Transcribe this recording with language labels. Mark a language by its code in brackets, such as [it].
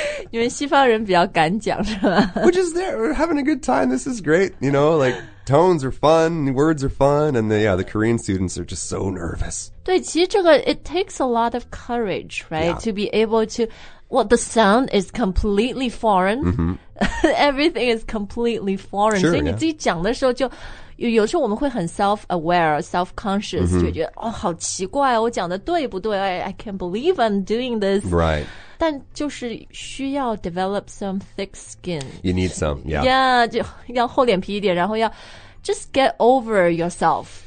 [zh] 你们西方人比较敢讲是吗 [en] Which is there. We're having a good time. This is great. You know, like... Tones are fun, words are fun, and the, yeah, the Korean students are just so nervous. [zh] 对其实这个 [en] it takes a lot of courage, right?、 Yeah. To be able to, well, the sound is completely foreign.、 Mm-hmm. Everything is completely foreign. Sure, [zh] 所以你自己讲的时候就、 [en] yeah. [zh] 有时候我们会很 [en] self-aware, self-conscious,、 mm-hmm. [zh] 就觉得哦好奇怪哦我讲的对不对 [en] I can't believe I'm doing this. Right. [zh] 但就是需要 [en] develop some thick skin. You need some, yeah. [zh] Yeah, 就要厚脸皮一点，然后要 [en] just get over yourself.